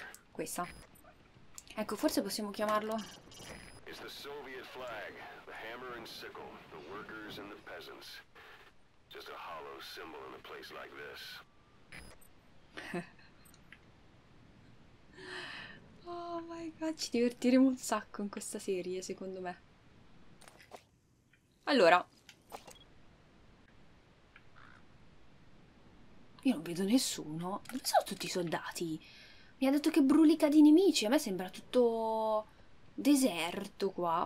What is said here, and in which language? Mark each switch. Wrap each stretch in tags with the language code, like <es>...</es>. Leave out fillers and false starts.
<it>Questa. Ecco, forse possiamo chiamarlo. È la</it> <en>Soviet flag, the hammer and sickle, the workers and the peasants. Just a hollow symbol in a place like this. Oh my god,</en> <it>ci divertiremo un sacco in questa serie, secondo me. Allora. Io non vedo nessuno. Dove sono tutti i soldati? Mi ha detto che brulica di nemici. A me sembra tutto deserto qua.</it>